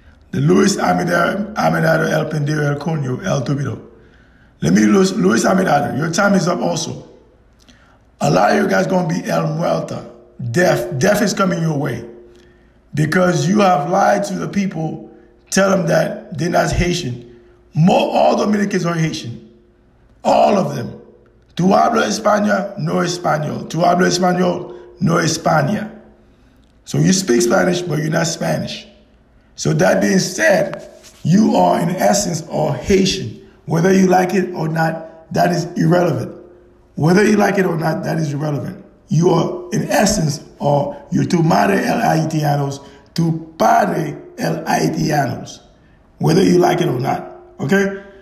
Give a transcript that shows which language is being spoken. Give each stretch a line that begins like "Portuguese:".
Spanish: The Luis Abinader El Pendejo El Coño El Tupido.
English: Let me, Luis Abinader, your time is up also. A lot of you guys going to be
Spanish: El Muerta.
English: Death. Death is coming your way. Because you have lied to the people, tell them that they're not Haitian. All Dominicans are Haitian. All of them.
Spanish: Tu hablo España, no español. Tu hablo español, no España.
English: So you speak Spanish, but you're not Spanish. So that being said, you are in essence all Haitian. Whether you like it or not, that is irrelevant. Whether you like it or not, that is irrelevant. You are, in essence, or you're
Spanish: tu madre el haitianos,
English: tu padre el haitianos, whether you like it or not, okay?